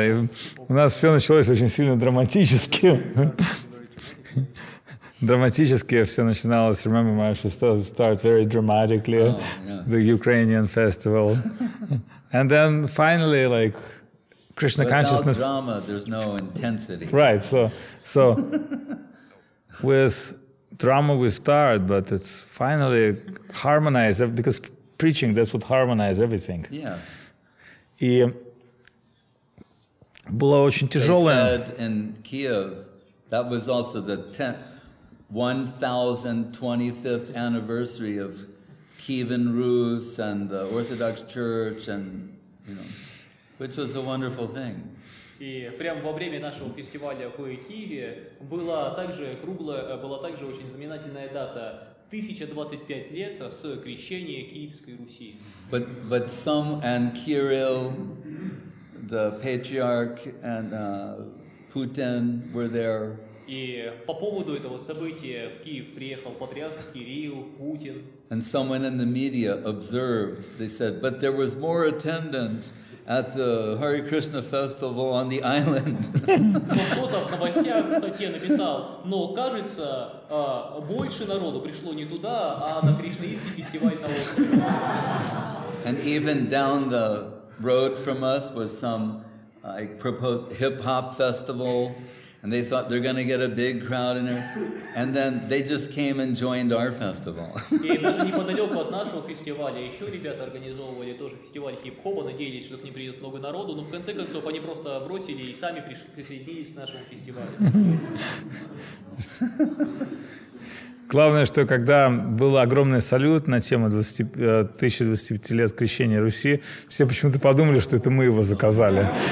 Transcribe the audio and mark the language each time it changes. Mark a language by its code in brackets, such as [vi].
[ru] И у нас все началось очень сильно драматически. Драматически все начиналось. [en] Remember, my festival started very dramatically. Oh, yeah. The Ukrainian festival. And then finally, like, Krishna Without consciousness. Without drama, there's no intensity. Right. So with drama we start, but it's finally harmonized because preaching, that's what harmonizes everything. Yes. [ru] И было очень тяжелое. [en] They said in Kiev, that was also the 1025th anniversary of Kievan Rus and the Orthodox Church and, you know. Which was a wonderful thing. [ru] И прямо во время нашего фестиваля в Киеве была также круглая, была также очень знаменательная дата 1025 лет с крещения Киевской Руси. [en] But some and Kirill, the patriarch and Putin were there. [ru] И по поводу этого события в Киев приехал патриарх Кирилл, Путин. [en] And someone in the media observed, they said, but there was more attendance at the Hare Krishna festival on the island. [ru] Кто-то в новостях, кстати, написал, но кажется, больше народу пришло не туда, а на Кришнаистский фестиваль на острове. [en] And even down the road from us was some like proposed hip-hop festival, and they thought they're going to get a big crowd in there, and then they just came and joined our festival. [ru] И даже неподалеку от нашего фестиваля еще ребята организовывали тоже фестиваль хип-хопа, надеялись, что к ним придет много народу, но в конце концов они просто бросили и сами присоединились к нашему фестивалю. Главное, что когда был огромный салют на тему 1025 лет крещения Руси, все почему-то подумали, что это мы его заказали.